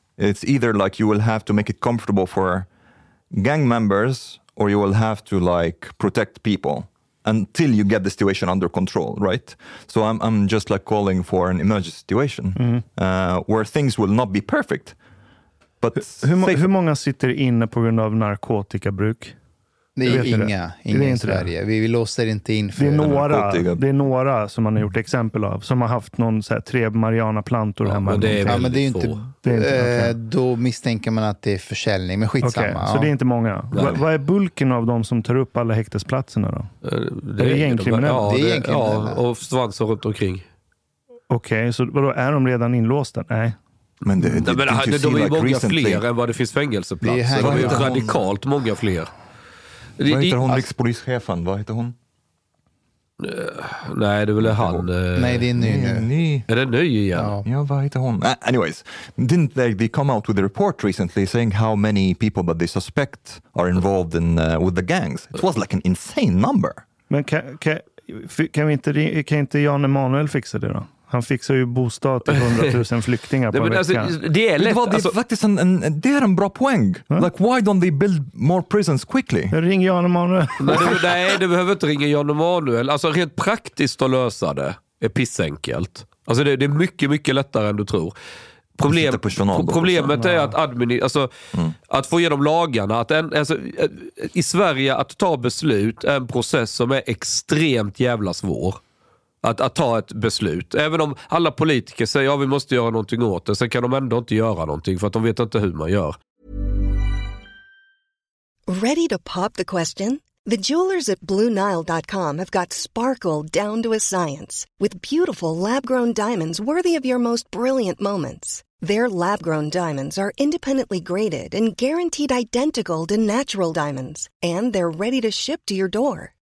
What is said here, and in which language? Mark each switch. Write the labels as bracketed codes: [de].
[en] It's either you will have to make it comfortable for gang members or you will have to protect people. Until you get the situation under control, right? So I'm just calling for an emergency situation where things will not be perfect. But [sv] hur många sitter inne på grund av narkotikabruk? Det är inga i Sverige. Vi låser inte in för narkotika. Det är några som man har gjort exempel av som har haft någon så här tre mariana plantor hemma. Men det är inte då misstänker man att det är försäljning, men skitsamma. Okay, så det är inte många. Vad är bulken av dem som tar upp alla häktesplatserna då? Det är gängkriminella. Och svansar runt omkring. Okej, så vadå, är de redan inlåsta? Nej. Men de är många fler än vad det finns fängelseplatser. De är inte radikalt många fler. Vad heter hon, rikspolischefen? Vad heter hon? Nej, det är väl han. Nej, det är ny nu. Ny. Är det ny igen? Ja, ja, vad heter hon? [en] Anyways, didn't they come out with a report recently saying how many people that they suspect are involved in with the gangs? It was like an insane number. [sv] Men kan inte Jan Emanuel fixa det då? Han fixar ju bostad till 100,000 flyktingar på veckan. Det är en bra poäng. Huh? [en] Like, why don't they build more prisons quickly? [sv] Ring Jan Emanuel. Nej, du behöver inte ringa Jan Emanuel. Alltså, rent praktiskt att lösa det är pissenkelt. Alltså, det är mycket, mycket lättare än du tror. Problemet är att att få igenom lagarna, att i Sverige att ta beslut är en process som är extremt jävla svår. Att ta ett beslut. Även om alla politiker säger att vi måste göra någonting åt det, så kan de ändå inte göra någonting för att de vet inte hur man gör. [en] Ready to pop the question? The jewelers at BlueNile.com have got sparkle down to a science with beautiful lab-grown diamonds worthy of your most brilliant moments. Their lab-grown diamonds are independently graded and guaranteed identical to natural diamonds, and they're ready to ship to your door.